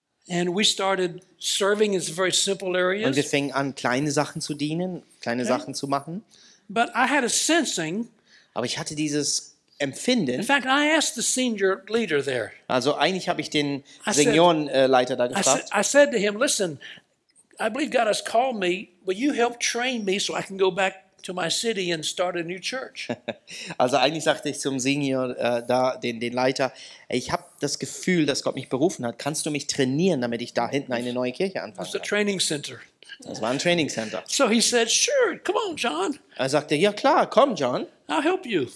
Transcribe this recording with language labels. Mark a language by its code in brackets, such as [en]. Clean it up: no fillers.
[en] And we started serving in very simple areas. [de] Und wir fingen an, kleine Sachen zu dienen, kleine Sachen zu machen. [en] But I had a sensing. [de] Aber ich hatte dieses Empfinden. [en] In fact, I asked the senior leader there. [de] Also eigentlich habe ich den Seniorenleiter da gefragt. [en] I said to him, listen, I believe God has called me. Will you help train me so I can go back to my city and start a new church? [de] Also eigentlich sagte ich zum Senior den Leiter, ich habe das Gefühl, dass Gott mich berufen hat. Kannst du mich trainieren, damit ich da hinten eine neue Kirche anfange? [en] It's a training center. [de] Das war ein Training Center. [en] So he said, sure, come on, John. [de] Er sagte, ja klar, komm, John. [en] I'll help you.